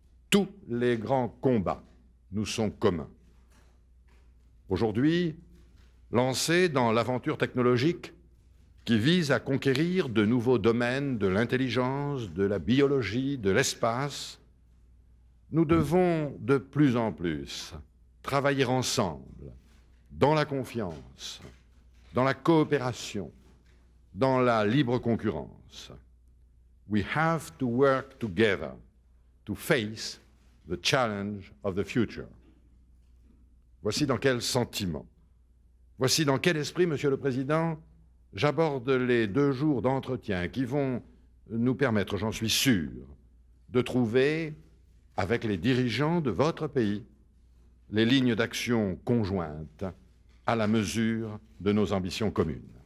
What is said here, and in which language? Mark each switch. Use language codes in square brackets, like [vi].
[fr] Tous les grands combats nous sont communs. Aujourd'hui, lancés dans l'aventure technologique qui vise à conquérir de nouveaux domaines de l'intelligence, de la biologie, de l'espace, nous devons de plus en plus travailler ensemble, dans la confiance, dans la coopération, dans la libre concurrence. [en] We have to work together to face the challenge of the future. [fr] Voici dans quel sentiment, voici dans quel esprit, Monsieur le Président, j'aborde les deux jours d'entretien qui vont nous permettre, j'en suis sûr, de trouver, avec les dirigeants de votre pays, les lignes d'action conjointes à la mesure de nos ambitions communes.